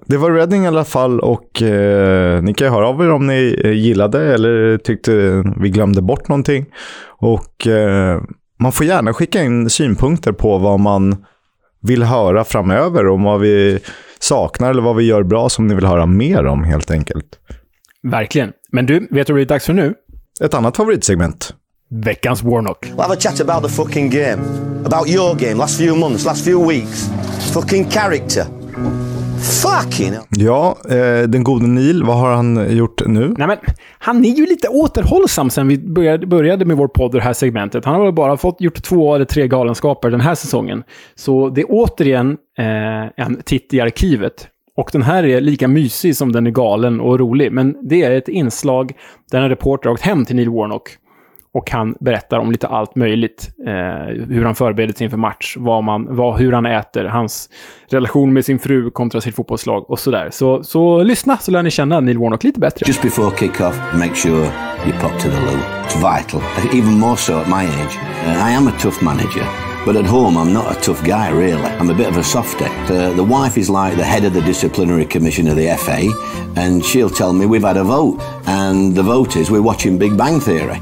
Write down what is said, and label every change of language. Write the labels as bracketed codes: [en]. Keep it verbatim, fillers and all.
[sv] Det var Reading i alla fall, och eh, ni kan ju höra av er om ni gillade eller tyckte vi glömde bort någonting. Och eh, man får gärna skicka in synpunkter på vad man vill höra framöver, om vad vi saknar eller vad vi gör bra som ni vill höra mer om, helt enkelt. Verkligen. Men du, vet du vad det är dags för nu? Ett annat favoritsegment. Veckans Warnock. [en] We'll have a chat about the fucking game. About your game, last few months, last few weeks. Fucking character. Fucking. [sv] Ja, eh, den gode Neil, vad har han gjort nu? Nej, men han är ju lite återhållsam sen vi började, började med vår podd, det här segmentet. Han har väl bara fått gjort två eller tre galenskaper den här säsongen. Så det är återigen eh, en titt i arkivet. Och den här är lika mysig som den är galen och rolig. Men det är ett inslag där en reporter har åkt hem till Neil Warnock och han berättar om lite allt möjligt. Eh, hur han förbereder sig inför match, vad man, vad, hur han äter, hans relation med sin fru kontra sitt fotbollslag och sådär. Så, så lyssna så lär ni känna Neil Warnock lite bättre. [en] Just before kick-off, make sure you pop to the loo. It's vital, even more so at my age. I am a tough manager. But at home, I'm not a tough guy, really. I'm a bit of a softie. The, the wife is like the head of the disciplinary commission of the F A, and she'll tell me we've had a vote, and the vote is we're watching Big Bang Theory.